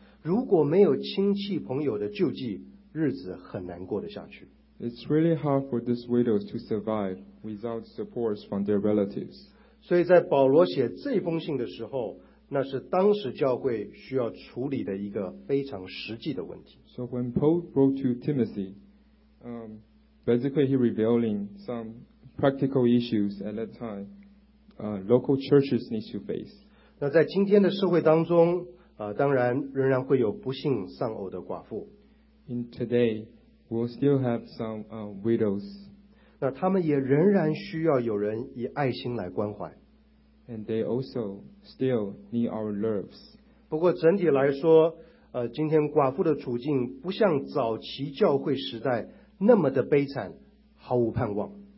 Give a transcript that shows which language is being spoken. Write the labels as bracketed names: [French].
[Chinese] 如果没有亲戚朋友的救济，日子很难过得下去。 [English] It's really hard for these widows to survive without support from their relatives. [Chinese] 所以在保罗写这封信的时候，那是当时教会需要处理的一个非常实际的问题。 [English] So when Paul wrote to Timothy, basically he revealing some practical issues at that time, local churches need to face. [Chinese] 那在今天的社会当中，当然仍然会有不幸丧偶的寡妇。 [English] In today, we'll still have some widows. [Chinese] 那他们也仍然需要有人以爱心来关怀。 [English] And they also still need our loves. [Chinese] 不过整体来说，今天寡妇的处境不像早期教会时代那么的悲惨，毫无盼望。